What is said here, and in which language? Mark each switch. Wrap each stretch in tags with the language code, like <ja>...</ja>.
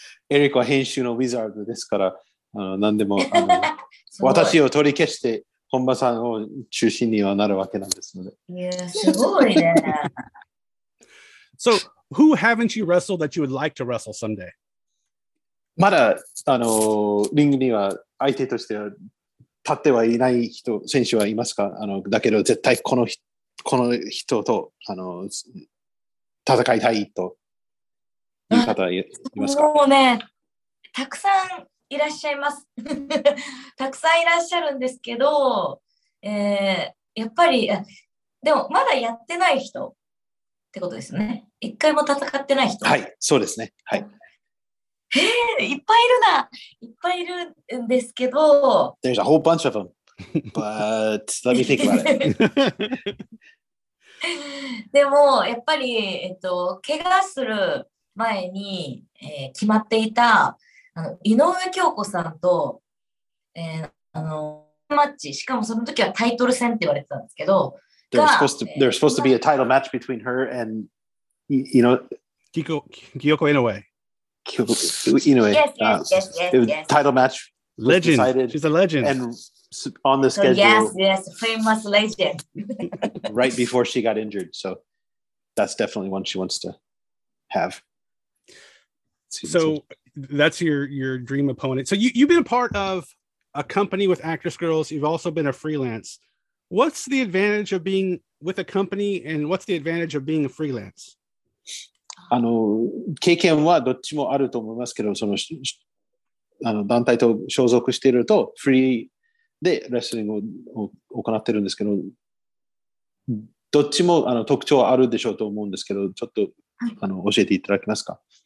<ja>エリコは編集のウィザードですから、何でも私を取り消して本間さんを中心にはなるわけなんですので。</ja> <en>Yeah,</en> <ja>すごいね。</ja> <en>So, who haven't you wrestled that you would like to wrestle someday?</en> <ja>まだリングには相手としては立ってはいない人選手はいますか？だけど絶対この人と戦いたいという方はいますか？もうね、たくさんいらっしゃいますたくさんいらっしゃるんですけど、やっぱりでもまだやってない人ってことですね。一回も戦ってない人。はい、そうですね。はい。いっぱいいるな。いっぱいいるんですけど。</ja> <en>There's a whole bunch of them. But let me think about it.</en> <ja>でも、やっぱり、怪我する前に、決まっていた、井上京子さんと、マッチ、しかもその時はタイトル戦って言われてたんですけど。</ja> <en>There's supposed to be a title match between her and, Kiyoko Inoue. Inoue. Yes. Title match. Legend. She's a legend. And on the schedule. Yes, famous legend. Right before she got injured. So that's definitely one she wants to have. So that's your dream opponent. So you've been a part of a company with Actress Girls. You've also been a freelance. What's the advantage of being with a company and what's the advantage of being a freelance?</en> <ja>経験はどっちもあると思いますけど、団体と所属していると、フリーでレスリングを行っているんですけど、どっちも特徴はあるでしょうと思うんですけど、ちょっと、はい、教えていただけますか。</ja>